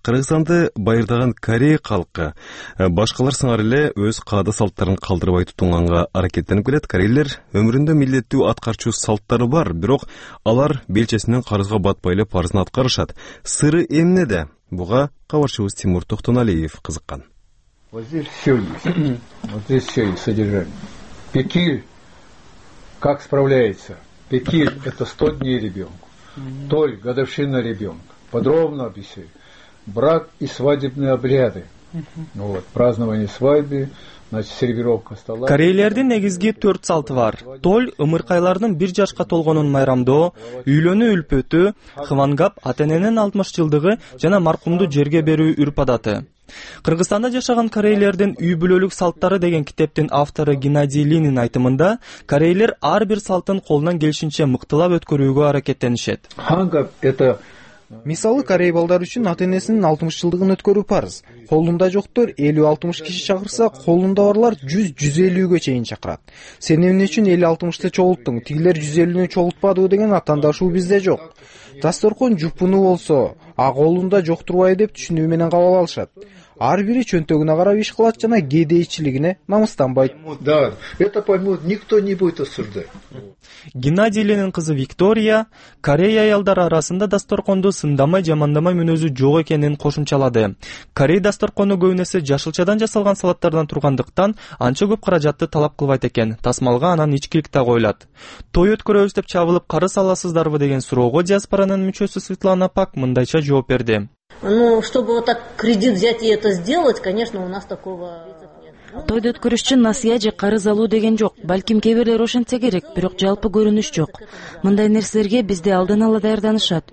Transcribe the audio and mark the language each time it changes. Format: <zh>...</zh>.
<ky>Кыргызстанды байырдаган Корея калкы башкалар сыңар эле өз каада салттарын калтырбай тутунганга аракеттенип келет. Кореелер өмүрүндө милдеттүү аткарчу салттары бар, бирок алар белчесинен карызга батпай эле парызын аткарышат. Сыры эмнеде? Буга кабарчыбыз Тимур Токтоналиев кызыккан.</ky> <ru>Вот здесь все есть содержание. Пекиль. Как справляется? Пекиль – это 100 дней ребенку. Толь – годовщина ребенка. Подробно объясняю. Брак и свадебные обряды. Вот, празднование свадьбы, значит, сервировка стола.</ru> <ky>Корейлердин негизги 4 салты бар. Толь – ымыркайлардын 1 жашка толгонун майрамдоо, үйлөнүү үлпөтүү, хывангап атененин 60 жылдыгы жана маркумду жерге берүү үрп адаты. Кыргызстанда жашаган корейлердин үй бүлөлүк салттары деген китептин автору Геннадий Линин айтымында, корейлер ар бир салтын колунан келишинче мыктылап өткөрүүгө аракеттенишет. Мисалы, корей балдары үчүн атенесинин 60 жылдыгын өткөрүү парыз. Колунда жоктор 50-60 киши чакырса, колунда барлар 100-150 чейин чакырат. Сен эмне үчүн 50-60 чогулттуң? Тигилер 150 чогултпадыбы деген атаандашуу бизде жок. Дасторкон жупуну болсо, а колунда жок турбай деп түшүнүү менен кабыл алышат. Ар бири чөнтөгүнө карап иш кылат жана кедейчилигине намыстанбайт.</ky> <ru>Да, это поймут, никто не будет осуждать.</ru> <ky>Геннадий Ленин кызы Виктория Корея аялдары арасында дасторкондо сындамай жамандамай мүнөзү жок экенин кошумчалады. Корей дасторкону көбүнесе жашылчадан жасалган салаттардан тургандыктан анча көп каражатты талап кылбайт экен. Тасмалга анан ичкилик да коюлат. Той өткөрөбүз деп чабылып карыз аласыздарбы деген суроого диаспоранын мүчөсү Светлана Пак мындайча жооп берди.</ky> <ru>Ну, чтобы вот так кредит взять и это сделать, конечно, у нас такого</ru> <ky>Тойду өткөрүш үчүн насыя же карыз алуу деген жок. Балким кээ бирлер ошентсе керек, бирок жалпы көрүнүш жок. Мындай нерселерге бизде алдын ала даярданышат.</ky>